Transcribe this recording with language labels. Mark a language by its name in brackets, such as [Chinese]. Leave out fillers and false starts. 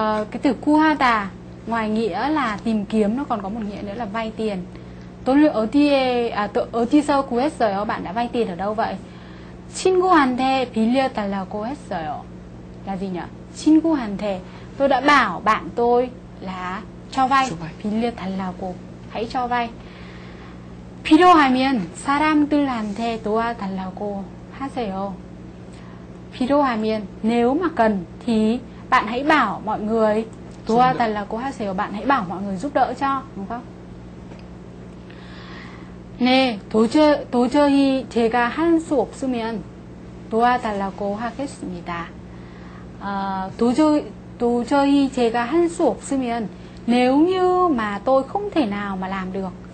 [Vietnamese] 그 구하다 ngoài nghĩa là tìm kiếm nó còn có một nghĩa nữa là vay tiền. [Korean] 돈을 어디에 어디서 구했어요? [Vietnamese] Bạn đã vay tiền ở đâu vậy? [Korean] 친구한테 빌려달라고 했어요. [Vietnamese] Là gì nhỉ? [Korean] 친구한테, [Vietnamese] tôi đã bảo bạn tôi là cho vay, [Korean] 빌려달라고, [Vietnamese] hãy cho vay. [Korean] 필요하면 사람들한테 도와달라고 하세요. 필요하면 [Vietnamese] nếu mà cần thì bạn hãy bảo mọi người [Korean] doa달라고 하세요. [Vietnamese] Bạn hãy bảo mọi người giúp đỡ cho, đúng không? [Korean] 네, 도저히 제가 할 수 없으면 도와달라고 하겠습니다. 도저히 제가 할 수 없으면 [Vietnamese] nếu như mà tôi không thể nào mà làm được.